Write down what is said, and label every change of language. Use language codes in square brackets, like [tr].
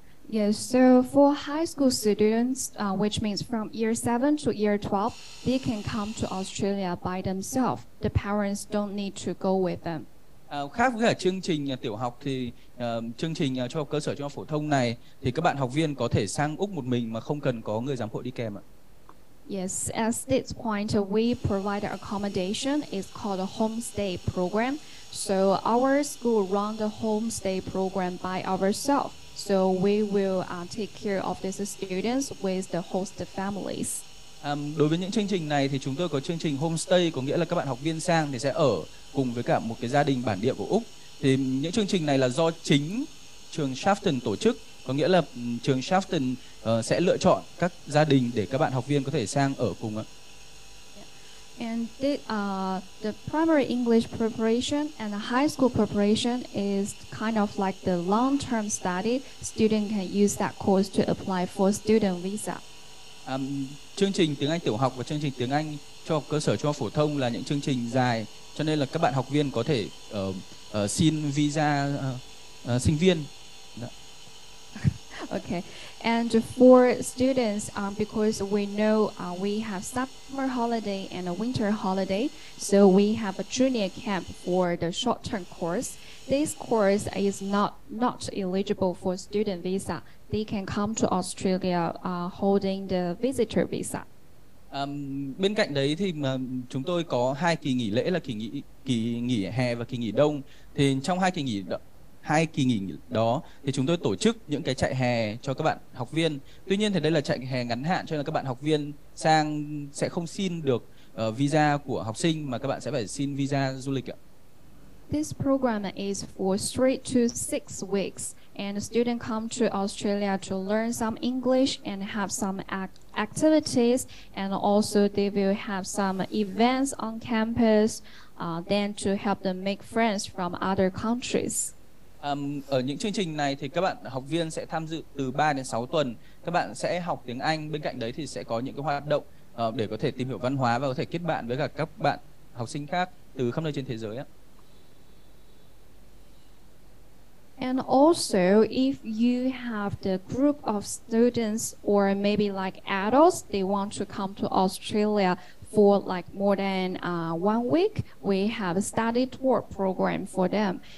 [en] Yes, so for high school students, which means from year 7 to year 12, they can come to Australia by themselves. The parents don't need to go with them. [vi] Khác với cả chương trình tiểu học thì chương trình cho cơ sở trung học phổ thông này thì các bạn học viên có thể sang Úc một mình mà không cần có người giám hộ đi kèm ạ. [en] Yes, at this point we provide accommodation. It's called a homestay program. So our school run the homestay program by ourselves. So we will take care of these students with the host families. [vi] Đối với những chương trình này thì chúng tôi có chương trình homestay, có nghĩa là các bạn học viên sang thì sẽ ở cùng với cả một cái gia đình bản địa của Úc. Thì những chương trình này là do chính trường Shafton tổ chức, có nghĩa là trường Shafton sẽ lựa chọn các gia đình để các bạn học viên có thể sang ở cùng ạ. [en] And the primary English preparation and the high school preparation is kind of like the long-term study. Student can use that course to apply for student visa. [vi] Chương trình tiếng Anh tiểu học và chương trình tiếng Anh cho cơ sở trung học phổ thông là những chương trình dài, cho nên là các bạn học viên có thể xin visa sinh viên. [en] Okay, and for students, because we know we have summer holiday and a winter holiday, so we have a junior camp for the short-term course. This course is not eligible for student visa. They can come to Australia holding the visitor visa. [vi] Bên cạnh đấy thì chúng tôi có hai kỳ nghỉ lễ là kỳ nghỉ hè và kỳ nghỉ đông. Thì trong hai kỳ nghỉ đó thì chúng tôi tổ chức những cái trại hè cho các bạn học viên. Tuy nhiên thì đây là trại hè ngắn hạn, cho nên các bạn học viên sang sẽ không xin được visa của học sinh mà các bạn sẽ phải xin visa du lịch ạ. [en] This program is for 3 to 6 weeks, and students come to Australia to learn some English and have some activities, and also they will have some events on campus, then to help them make friends from other countries. [vi] Ở những chương trình này thì các bạn học viên sẽ tham dự từ 3 đến 6 tuần. Các bạn sẽ học tiếng Anh. Bên cạnh đấy thì sẽ có những cái hoạt động để có thể tìm hiểu văn hóa và có thể kết bạn với cả các bạn học sinh khác từ khắp nơi trên thế giới. [en] And also, if you have the group of students or maybe like adults, they want to come to Australia for like more than 1 week, we have a study tour program for them.